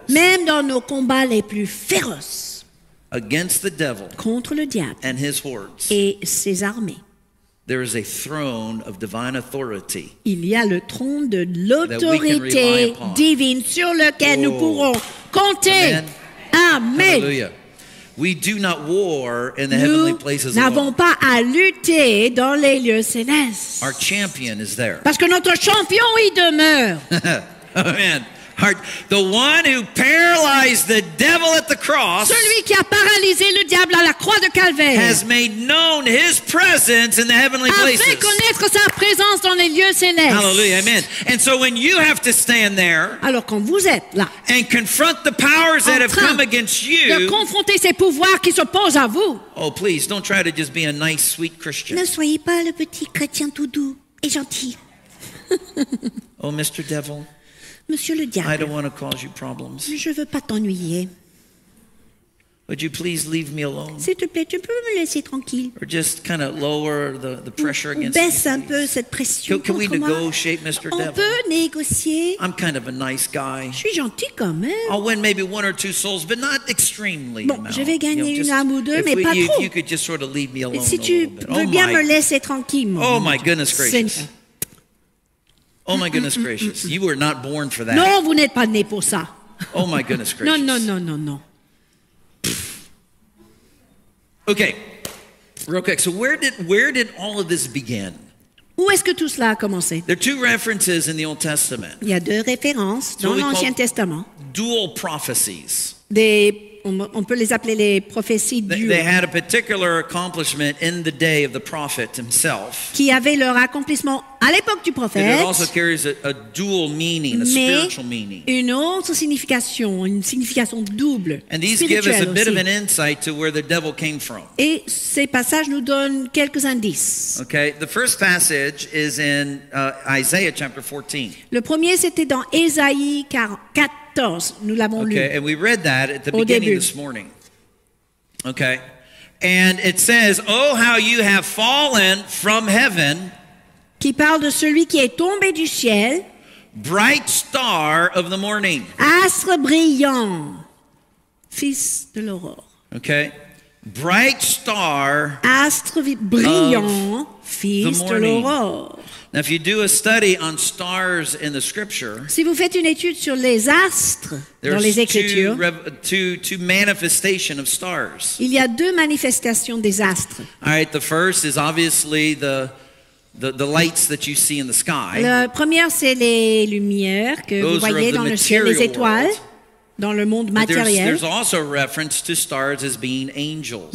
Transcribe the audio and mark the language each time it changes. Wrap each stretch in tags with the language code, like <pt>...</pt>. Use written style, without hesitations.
<fr>même dans nos combats les plus féroces.</fr> <en>Against the devil</en> <fr>contre le diable</fr> <en>and his hordes,</en> <fr>et ses armées.</fr> <en>There is a throne of divine authority.</en> <fr>Il y a le trône de l'autorité divine sur lequel nous pourrons compter. Amen. Amen. Hallelujah.</fr> <en>We do not war in the heavenly places.</en> <fr>Nous n'avons pas à lutter dans les lieux célestes.</fr> <en>Our champion is there.</en> <fr>Parce que notre champion y demeure. Amen.</fr> <en>The one who paralyzed the devil at the cross,</en> <fr>celui qui a paralysé le diable à la croix de Calvaire,</fr> <en>has made known his presence in the heavenly places.</en> <fr>A fait connaître sa présence dans les lieux célestes. Hallelujah, amen.</fr> <en>And so when you have to stand there,</en> <fr>alors quand vous êtes là,</fr> <en>and confront the powers that have come against you,</en> <fr>de confronter ces pouvoirs qui s'opposent à vous.</fr> <en>Oh, please, don't try to just be a nice, sweet Christian.</en> <fr>Ne soyez pas le petit chrétien tout doux et gentil.</fr> <en>Oh, Mr. Devil.</en> <fr>Monsieur le diable,</fr> <en>I don't want to cause you problems.</en> <fr>Je ne veux pas t'ennuyer.</fr> <en>Would you please leave me alone?</en> <fr>S'il te plaît, tu peux me laisser tranquille.</fr> <en>Or just kind of lower the pressure against</en> <fr>me. Baisse un</fr> <en>me,</en> <fr>peu cette pression</fr> <en>can</en> <fr>contre</fr> <en>we negotiate,</en> <fr>moi.</fr> <en>Mr. Devil?</en> <fr>On peut négocier.</fr> <en>I'm kind of a nice guy.</en> <fr>Je suis gentil quand même.</fr> <en>I'll win maybe one or two souls, but not extremely.</en> <fr>Bon, je vais gagner une âme ou deux, mais pas trop.</fr> <en>If you could just sort of leave me alone.</en> <fr>Si tu veux bien me laisser tranquille.</fr> <en>Oh my goodness gracious. Oh my goodness gracious. You were not born for that.</en> <fr>Non, vous n'êtes pas né pour ça.</fr> <en>Oh my goodness gracious.</en> <fr>Non.</fr> <en>Okay. Real quick. So where did all of this begin?</en> <fr>Où est-ce que tout cela a commencé?</fr> <en>There are two references in the Old Testament.</en> <fr>Il y a deux références dans l'Ancien Testament.</fr> <en>Dual prophecies.</en> <fr>On peut les appeler les prophéties du.</fr> <en>They had a particular accomplishment in the day of the prophet himself.</en> <fr>Qui avaient leur accomplishment à l'époque du prophète.</fr> <en>And it also carries a dual meaning, a spiritual meaning.</en> <fr>Une autre signification, une signification double.</fr> <en>And these give us a bit of an insight to where the devil came from.</en> <fr>Et ces passages nous donnent quelques indices.</fr> <en>Okay, the first passage is in Isaiah chapter 14.</en> <fr>Le premier c'était dans Ésaïe 14. Nous l'avons okay, lu</fr> <en>and we read that at the beginning</en> <fr>début.</fr> <en>This morning. Okay. And it says, oh, how you have fallen from heaven.</en> <fr>Qui parle de celui qui est tombé du ciel.</fr> <en>Bright star of the morning.</en> <fr>Astre brillant. Fils de l'aurore.</fr> <en>Okay. Bright star.</en> <fr>Astre brillant. Fils de l'aurore.</fr> <en>Now, if you do a study on stars in the scripture,</en> <fr>si vous faites une étude sur les astres dans les écritures,</fr> <en>two manifestation of stars.</en> <fr>Il y a deux manifestations des astres.</fr> <en>All right, the first is obviously the lights that you see in the sky.</en> <fr>La première c'est les lumières que</fr> <en>those</en> <fr>vous voyez dans le ciel, les étoiles.</fr> <en>World.</en> <fr>Dans le monde matériel.</fr> <en>But there's also reference to stars as being angels.</en>